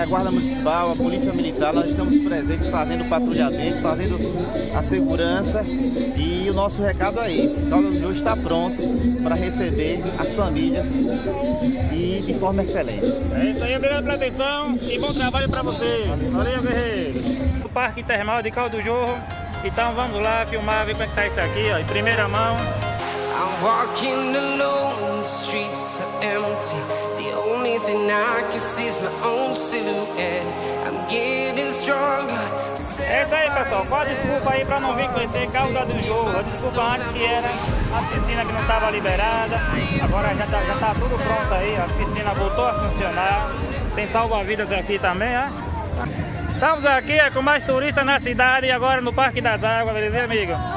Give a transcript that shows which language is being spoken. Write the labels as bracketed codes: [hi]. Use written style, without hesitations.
[pt] A Guarda Municipal, a Polícia Militar, nós estamos presentes fazendo patrulhamento, fazendo a segurança, e o nosso recado é esse: Calda do Jorro está pronto para receber as famílias e de forma excelente. É isso aí, obrigado pela atenção e bom trabalho para você. Valeu, guerreiro. O Parque Termal de Calda do Jorro. Então vamos lá filmar, ver como é que tá isso aqui, ó, em primeira mão. [en] I'm walking alone, the streets are empty. The only thing I can see is my own silhouette. I'm getting stronger. [pt] É isso aí, pessoal, qual a desculpa aí pra não vir conhecer Calda do Jorro? Desculpa, antes que era a piscina que não tava liberada. Agora já tá tudo pronto aí, a piscina voltou a funcionar. Tem salva-vidas aqui também, ó. Estamos aqui com mais turistas na cidade, agora no Parque das Águas, beleza, amigo?